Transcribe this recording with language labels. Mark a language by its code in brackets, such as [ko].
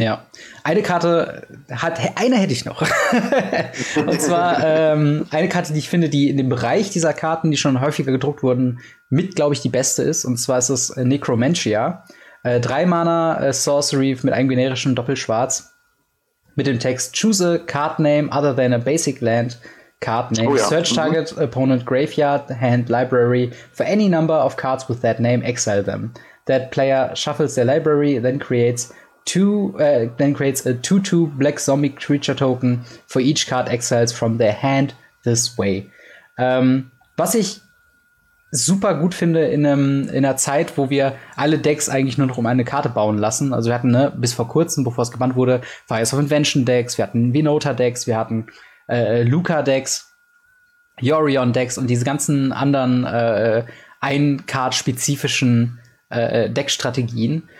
[de] Ja, eine Karte hätte ich noch. Und zwar eine Karte, die ich finde, die in dem Bereich dieser Karten, die schon häufiger gedruckt wurden, mit, glaube ich, die beste ist. Und zwar ist es Necromancia. 3-Mana Sorcery mit einem generischen Doppelschwarz mit dem Text [en] Choose a card name other than a basic land card name. [de] Oh ja. [en] Search target opponent graveyard hand library for any number of cards with that name, exile them. That player shuffles their library, then creates then creates a 2/2 black zombie creature token for each card exiles from their hand this way. [de] Was ich super gut finde in einer Zeit, wo wir alle Decks eigentlich nur noch um eine Karte bauen lassen. Also wir hatten, ne, bis vor kurzem, bevor es gebannt wurde, Fire of Invention Decks, wir hatten Venota Decks, wir hatten Luka Decks, Yorion Decks und diese ganzen anderen ein-Card-spezifischen Deckstrategien.